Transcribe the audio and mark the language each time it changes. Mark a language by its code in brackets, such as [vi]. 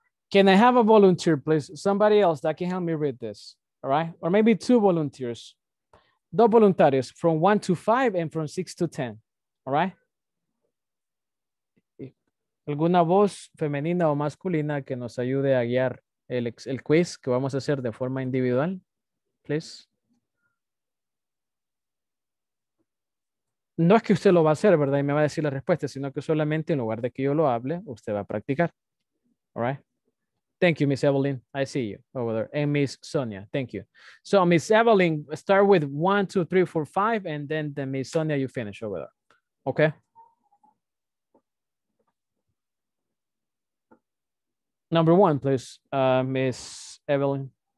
[en] Can I have a volunteer, please? Somebody else that can help me read this, all right? Or maybe two volunteers. [es] Dos voluntarios, [en] from 1 to 5 and from 6 to 10, all right? [es] ¿Alguna voz femenina o masculina que nos ayude a guiar el quiz que vamos a hacer de forma individual, [en] please? [es] No es que usted lo va a hacer, ¿verdad? Y me va a decir la respuesta, sino que solamente en lugar de que yo lo hable, usted va a practicar, [en] all right? Thank you, Miss Evelyn. I see you over there. And Miss Sonia, thank you. So Miss Evelyn, start with 1, 2, 3, 4, 5, and then Miss Sonia, you finish over there. Okay. Number one, please, Miss Evelyn.